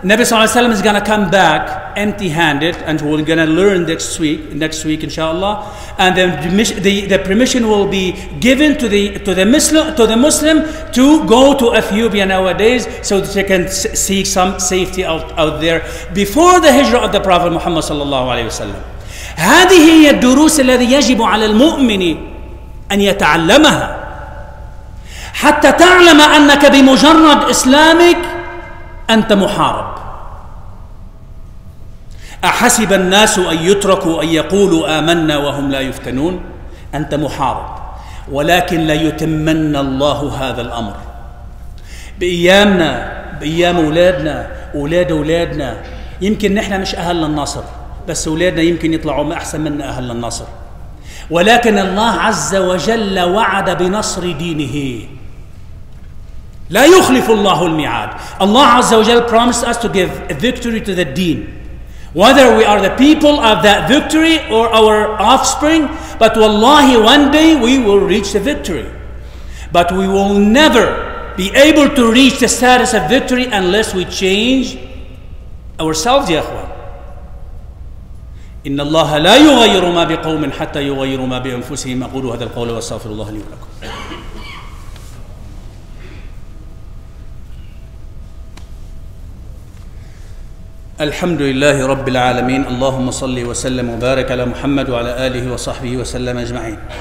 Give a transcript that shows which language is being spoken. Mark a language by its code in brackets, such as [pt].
[en] Nabi Sallallahu Alaihi Wasallam is going to come back empty-handed, and we're going to learn next week, inshallah. And then the permission will be given to the Muslim to go to Ethiopia nowadays, so that they can seek some safety out there before the hijrah of the Prophet Muhammad Sallallahu Alaihi Wasallam. [ar] هذه هي الدروس التي يجب على المؤمن أن يتعلمها حتى تعلم أنك بمجرد إسلامك أنت محارب. أحسب الناس أن يتركوا أن يقولوا آمنا وهم لا يفتنون؟ أنت محارب، ولكن لا يتمن الله هذا الأمر بأيامنا، بأيام أولادنا، أولاد أولادنا. يمكن نحن مش أهل النصر، بس أولادنا يمكن يطلعوا ما أحسن منا أهل النصر، ولكن الله عز وجل وعد بنصر دينه، لا يخلف الله الميعاد. [en] الله عز وجل promised us to give a victory to the deen, whether we are the people of that victory or our offspring, but wallahi one day we will reach the victory, but we will never be able to reach the status of victory unless we change ourselves. Ya akhwan, [ar] إن الله لا يغير ما بقوم حتى يغير ما بأنفسهم. أقول هذا القول وأستغفر الله لي ولكم. الحمد لله رب العالمين. اللهم صل وسلم وبارك على محمد وعلى آله وصحبه وسلم أجمعين.